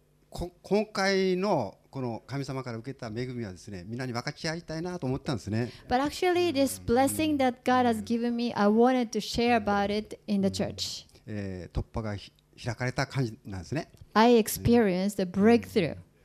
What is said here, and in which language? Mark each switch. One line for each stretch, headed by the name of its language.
Japanese: 今回のこの神様から受けた恵みはですね、みんなに分かち合いたいなと思ったんですね。
English: But actually, this blessing that God has given me, I wanted to share about it in the church.
Japanese: 突破が開かれた感じなんですね。
English: I experienced a breakthrough.